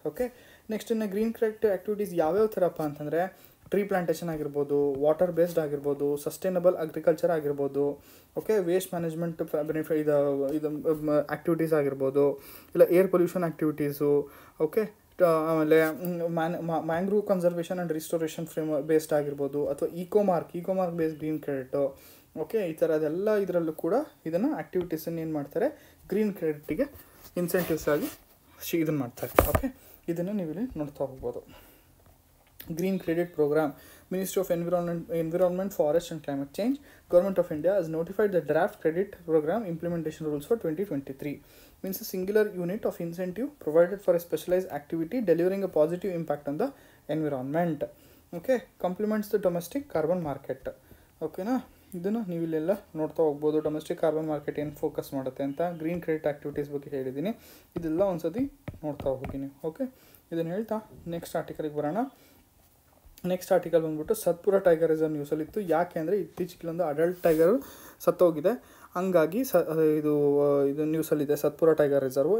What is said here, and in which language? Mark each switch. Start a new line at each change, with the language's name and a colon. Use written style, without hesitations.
Kannada: Okay, next ಇನ್ನು green credit activities ಯಾವ್ಯಾವ ಥರಪ್ಪ ಅಂತಂದರೆ, ಟ್ರೀ ಪ್ಲಾಂಟೇಷನ್ ಆಗಿರ್ಬೋದು, ವಾಟರ್ ಬೇಸ್ಡ್ ಆಗಿರ್ಬೋದು, ಸಸ್ಟೈನಬಲ್ ಅಗ್ರಿಕಲ್ಚರ್ ಆಗಿರ್ಬೋದು, ಓಕೆ, ವೇಸ್ಟ್ ಮ್ಯಾನೇಜ್ಮೆಂಟ್ ಬೆನಿಫಿಟ್ ಇದು ಆ್ಯಕ್ಟಿವಿಟೀಸ್ ಆಗಿರ್ಬೋದು, ಇಲ್ಲ ಏರ್ ಪೊಲ್ಯೂಷನ್ ಆ್ಯಕ್ಟಿವಿಟೀಸು, ಓಕೆ, ಆಮೇಲೆ mangrove conservation and restoration frame based ಆಗಿರ್ಬೋದು, ಅಥವಾ ಇಕೋಮಾರ್ಕ್ ಬೇಸ್ಡ್ ಗ್ರೀನ್ ಕ್ರೆಡಿಟು, ಓಕೆ, ಈ ಥರದ್ದೆಲ್ಲ ಇದರಲ್ಲೂ ಕೂಡ ಇದನ್ನು ಆ್ಯಕ್ಟಿವಿಟೀಸನ್ನು ಏನು ಮಾಡ್ತಾರೆ, ಗ್ರೀನ್ ಕ್ರೆಡಿಟಿಗೆ ಇನ್ಸೆಂಟಿವ್ಸ್ ಆಗಿ ಇದನ್ನು ಮಾಡ್ತಾರೆ. ಓಕೆ, ಇದನ್ನು ನೀವಿಲ್ಲಿ ನೋಡ್ತಾ ಹೋಗ್ಬೋದು.
English: Green Credit Program, Ministry of Environment, Forest and Climate Change, Government of India has notified the Draft Credit Program Implementation Rules for 2023. Means a singular unit of incentive provided for a specialized activity delivering a positive impact on the environment. Okay, complements the domestic carbon market. Okay, na?
Kannada: ಇದನ್ನು ನೀವಿಲ್ಲೆಲ್ಲ ನೋಡ್ತಾ ಹೋಗ್ಬೋದು. Domestic carbon market ಏನು focus ಮಾಡುತ್ತೆ ಅಂತ, green credit activities ಬಗ್ಗೆ ಹೇಳಿದ್ದೀನಿ, ಇದೆಲ್ಲ ಒಂದ್ಸತಿ ನೋಡ್ತಾ ಹೋಗಿನಿ. ಓಕೆ, ಇದನ್ನು ಹೇಳ್ತಾ ನೆಕ್ಸ್ಟ್ ಆರ್ಟಿಕಲ್ಗೆ ಬರೋಣ. ನೆಕ್ಸ್ಟ್ ಆರ್ಟಿಕಲ್ ಬಂದುಬಿಟ್ಟು ಸತ್ಪುರ ಟೈಗರ್ ರಿಸರ್ವ್ ನ್ಯೂಸಲ್ಲಿತ್ತು. ಯಾಕೆ ಅಂದರೆ, ಇತ್ತೀಚೆಗಿಲ್ಲೊಂದು ಅಡಲ್ಟ್ ಟೈಗರ್ ಸತ್ತೋಗಿದೆ, ಹಂಗಾಗಿ ಇದು ನ್ಯೂಸಲ್ಲಿದೆ, ಸತ್ಪುರ ಟೈಗರ್ ರಿಸರ್ವ್.